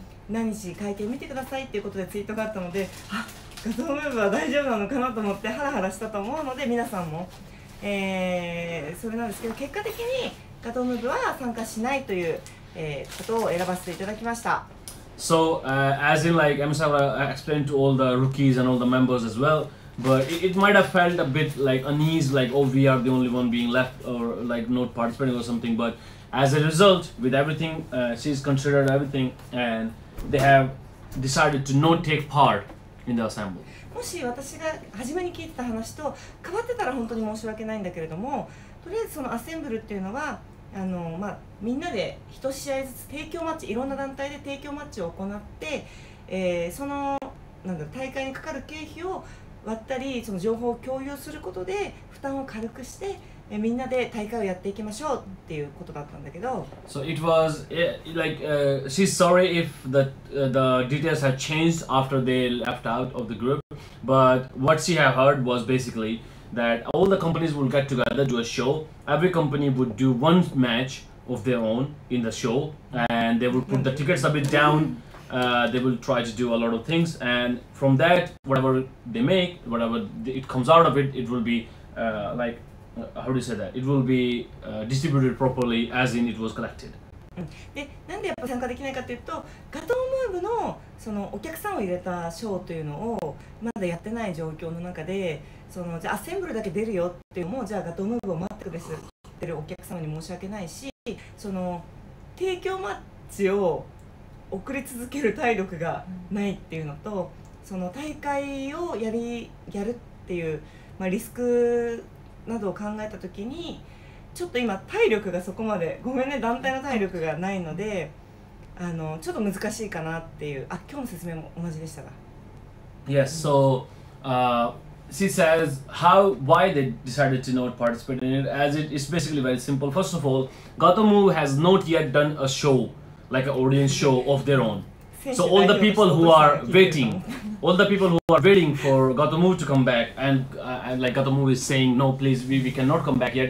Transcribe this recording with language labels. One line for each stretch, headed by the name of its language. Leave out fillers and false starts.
Japanese: 何し会見見てくださいっていうことでツイートがあったので、あ、画像ムーブは大丈夫なのかなと思ってハラハラしたと思うので、皆さんも、それなんですけど、結果的に画像ムーブは参加しないという、ことを選ばせていただきました。
English: So, as in like Amsawa explained to all the rookies and all the members as well, but it might have felt a bit like unease, like oh, we are the only one being left or like not participating or something, butAs a result, with everything, she's considered everything, and they have decided to not take part in the assembly.
Japanese: もし私が初めに聞いてた話と変わってたら本当に申し訳ないんだけれども、とりあえずそのアセンブルっていうのは、まあ、みんなで一試合ずつ提供マッチ、いろんな団体で提供マッチを行って、そのなんだろう、大会にかかる経費を割ったり、その情報を共有することで負担を軽くして、みんなで大会をやっていきましょうっていうことだったんだけど、
English: So it was like, she's sorry if the details had changed after they left out of the group, but what she had heard was basically that all the companies would get together, do a show, every company would do one match of their own in the show, and they would put the tickets a bit downthey will try to do a lot of things, and from that, whatever they make, whatever it comes out of it, it will be like, how do you say that? It will be distributed properly, as in it was collected.
Japanese: で、なんでやっぱ参加できないかというと、ガトームーブのそのお客さんを入れたショーというのをまだやってない状況の中で、そのじゃあアセンブルだけ出るよっていうのも、じゃあガトームーブを待ってくれてるお客様に申し訳ないし、その提供マッチを送り続ける体力がないっていうのと、その大会をやるっていう、まあ、リスクなどを考えた時に、ちょっと今体力がそこまで、ごめんね、団体の体力がないので、ちょっと難しいかなっていう。あ、今日の説明も同じでしたか。
English: Yes, so she says how, why they decided to not participate in it, as it is basically very simple. First of all, Gotomu has not yet done a showLike an audience show of their own. So all the people who are waiting, all the people who are waiting for Gotomu to come back, and like Gotomu is saying, no, please, we cannot come back yet.